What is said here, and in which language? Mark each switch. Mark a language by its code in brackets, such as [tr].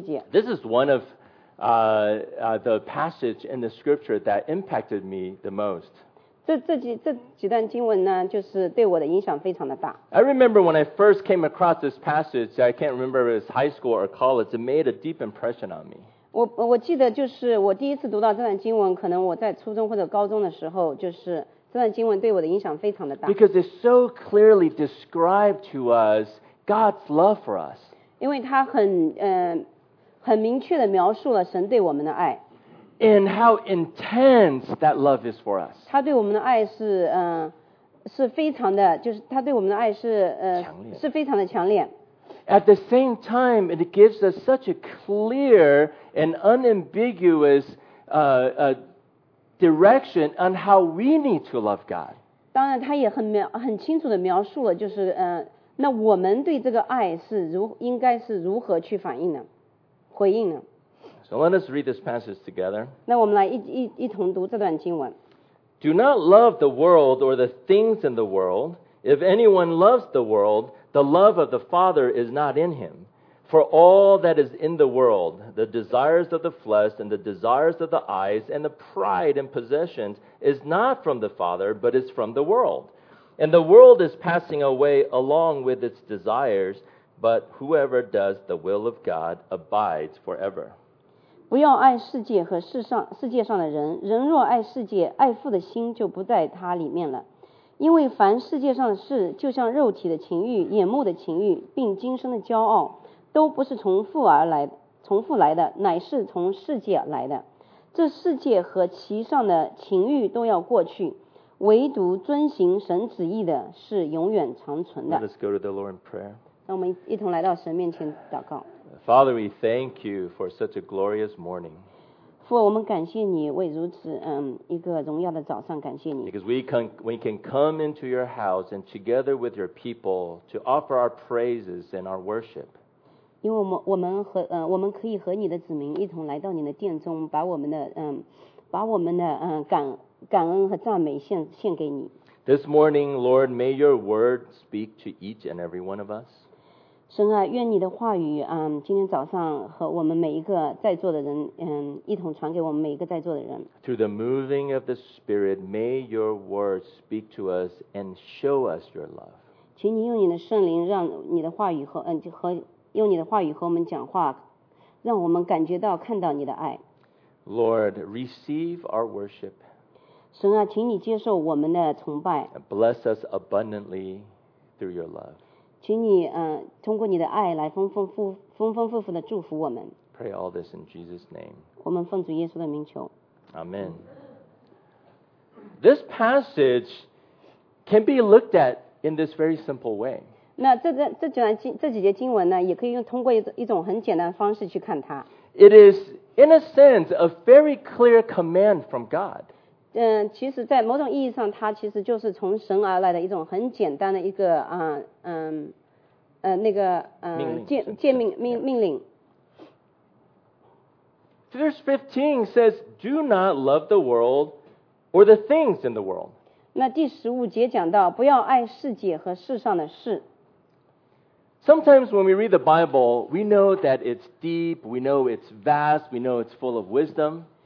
[en] This is one of the passage in the scripture that impacted me the most. [zh] 这几段经文呢，就是对我的影响非常的大。 [en] I remember when I first came across this passage. I can't remember if it was high school or college. It made a deep impression on me. [zh] 我记得就是我第一次读到这段经文，可能我在初中或者高中的时候，就是。这段经文对我的影响非常的大。 [en] Because it so clearly described to us God's love for us. [zh] 因为它很明确地描述了神对我们的爱。 [en] And how intense that love is for us. [zh] 它对我们的爱是非常的，就是它对我们的爱是强烈，是非常的强烈。 [en] At the same time, it gives us such a clear and unambiguous direction on how we need to love God. [zh] 当然，他也很清楚地描述了，就是那我们对这个爱是应该是如何去反应呢？回应呢？ [en] So let us read this passage together. [zh] 那我们来一同读这段经文。 [en] Do not love the world or the things in the world. If anyone loves the world, the love of the Father is not in him. For all that is in the world, the desires of the flesh and the desires of the eyes and the pride in possessions is not from the Father, but is from the world. And the world is passing away along with its desires, but whoever does the will of God abides forever. [zh] 不要爱世界和世界上的人，人若爱世界，爱父的心就不在他里面了。因为凡世界上的事，就像肉体的情欲、眼目的情欲，并今生的骄傲，都不是从父来的，乃是从世界来的。这世界和其上的情欲都要过去，唯独遵行神旨意的是永远长存的。 [en] Let's go to the Lord in prayer. [zh] 让我们一同来到神面前祷告。 [en] Father, we thank you for such a glorious morning. [zh] 父，我们感谢你为如此一个荣耀的早上，感谢你。 [en] Because we can come into your house and together with your people to offer our praises and our worship. [zh] 因为我们可以和你的子民一同来到你的殿中，把我们的感恩和赞美献给你。 [en] This morning, Lord, may your word speak to each and every one of us. [zh] 神啊，愿你的话语今天早上和我们每一个在座的人一同传给我们每一个在座的人。 [en] Through the moving of the Spirit, may your word speak to us and show us your love. [zh] 请你用你的圣灵让你的话语用你的话语和我们讲话，让我们感觉到看到你的爱。 [en] Lord, receive our worship. [zh] 神啊，请你接受我们的崇拜。 [en] Bless us abundantly through your love. [zh] 请你通过你的爱来丰丰富富的祝福我们。 [en] Pray all this in Jesus' name. [zh] 我们奉主耶稣的名求。 [en] Amen. This passage can be looked at in this very simple way. [zh] 那这几节经文呢，也可以用通过一种很简单的方式去看它。 [en] It is, in a sense, a very clear command from God. [zh] 其实在某种意义上，它其实就是从神而来的一种很简单的一个命令。 [en] Verse 15 says, "Do not love the world or the things in the world." [zh] 那第十五节讲到，不要爱世界和世上的事。 [en] Sometimes when we read the Bible, we know that it's deep, we know it's vast, we know it's full of wisdom.